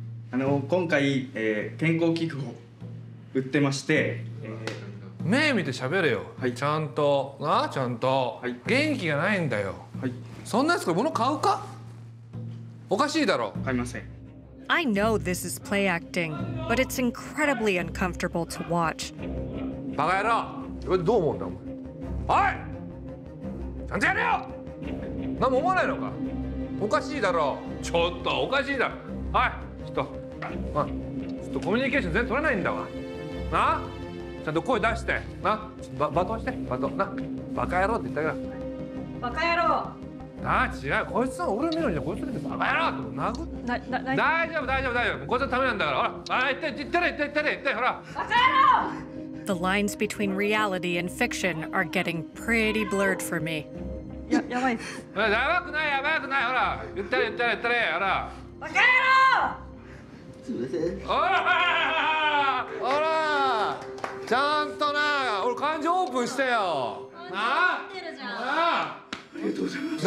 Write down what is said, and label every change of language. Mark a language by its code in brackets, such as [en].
[ja] あの今回、健康器具を売ってまして、目見て喋れよ、はい、ちゃんとな、ちゃんと、はい、元気がないんだよ、はい、そんなやつから物買うか、おかしいだろ。買いません。 [en] I know this is play acting, but it's incredibly uncomfortable to watch. [ja] バカ野郎、どう思うんだお前。おい、ちゃんとやれよ。何も思わないのか。おかしいだろ。ちょっとおかしいだろ。おい、ちょっと、ちょっとコミュニケーション全然取れないんだわ。な、ちゃんと声出して。な、バトンして、バトン。な、バカ野郎って言ったから。バカ野郎。なあ、違う、こいつは俺の見るんじゃ、こいつだってバカ野郎って殴って、大丈夫大丈夫大丈夫、こいつはためなんだから、ほら、あ、行って行ってれ行ってれ行ってれ、ほら、バカ野郎。 [en] The lines between reality and fiction are getting pretty blurred for me. [ja] やばいやばくないやばくない、ほら、言ってれ言ってれ言ってれ、ほら、バカ野郎。すいません。ほら、ちゃんとな、俺感情オープンしてよ。感情持ってるじゃん。なあ、ありがとうございます。